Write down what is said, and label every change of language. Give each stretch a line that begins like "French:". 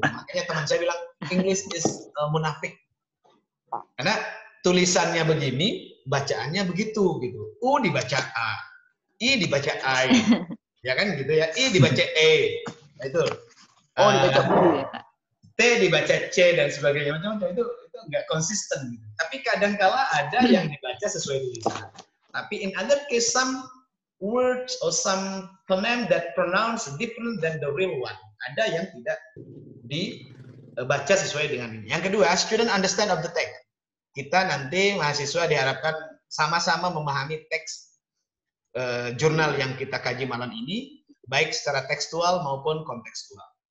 Indonesian: Makanya teman saya bilang
English: English is
Indonesian: munafik. Karena tulisannya begini, bacaannya begitu gitu. U dibaca A, I dibaca I. Ya kan gitu ya. I dibaca E. Nah, itu. Oh, dibaca U. T dibaca C dan sebagainya. Macam-macam itu enggak konsisten. Tapi kadang kala ada yang dibaca sesuai tulisan. Tapi
English: in other case some words or some phoneme that pronounce different than the real one.
Indonesian: Ada yang tidak dibaca sesuai dengan ini. Yang kedua,
English: student understand of the text.
Indonesian: Kita nanti mahasiswa diharapkan sama-sama memahami teks jurnal yang kita kaji malam ini, baik secara tekstual maupun kontekstual.